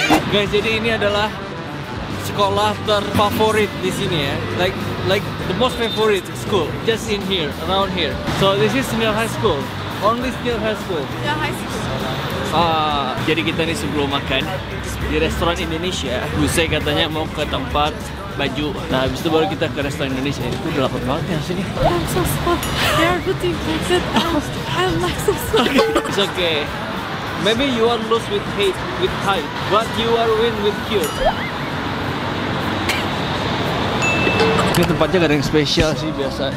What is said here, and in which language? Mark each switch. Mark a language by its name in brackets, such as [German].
[Indonesian] Guys, jadi ini adalah sekolah terfavorit di sini ya. [English] Like the most favorite school just in here, around here. So this is Senior High School. Only Senior High School. Senior High School. [Indonesian] Jadi kita nih sebelum makan di restoran Indonesia, Buse katanya mau ke tempat baju. Nah, habis itu baru kita ke restoran Indonesia. Itu udah lapar banget ya sini. [English] I'm so sorry. They are putting food at us. I'm like so sorry. It's okay. Maybe you are lose with hate, with hype, but you are win with cute. [Indonesian] Ini tempatnya gak ada yang spesial sih biasa.